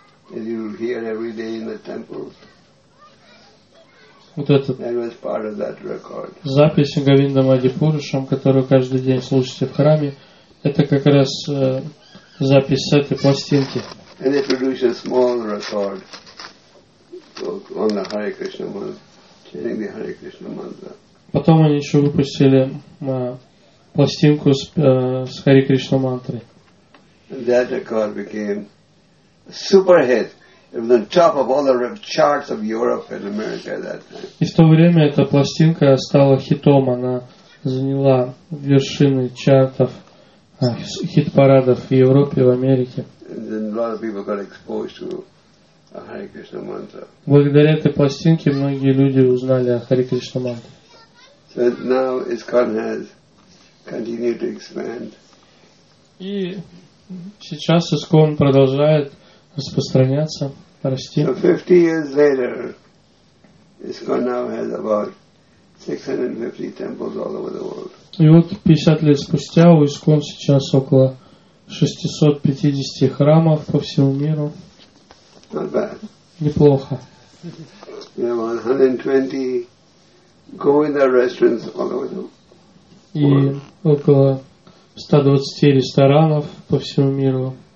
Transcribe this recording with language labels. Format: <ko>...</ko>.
<en>As you hear every day in the temples.</en> <ru>Вот это.</ru> <en>That was part of that record.</en> <ru>Запись Говинда Мадхипурушам, которую каждый день слушаете в храме, это как раз запись с этой пластинки.</ru> <en>And they produced a small record on the Hare Krishna mantra, chanting the Hare Krishna mantra.</en> <ru>Потом они еще выпустили пластинку с Харе Кришна мантрой.</ru> <en>And that record became super hit. It was on top of all the charts of Europe and America at that time.</en> <ru>И в то время эта пластинка стала хитом. Она заняла вершины чартов, хит-парадов в Европе, в Америке.</ru> <en>And then a lot of people got exposed to a Hare Krishna mantra.</en> <ru>Благодаря этой пластинке многие люди узнали о Харе Кришна мантре.</ru> <en>So now ISKCON has continued to expand.</en> <ru>И сейчас ISKCON продолжает распространяться, расти.</ru> <en>So 50 years later, ISKCON now has about 650 temples all over the world.</en> <ru>И вот 50 лет спустя у ISKCON сейчас около 650 храмов по всему миру.</ru> <en>Not bad.</en> <ru>Неплохо.</ru> <en>We have 120 Govinda restaurants all over the world.</en> <ru>И около 120 ресторанов по всему миру.</ru>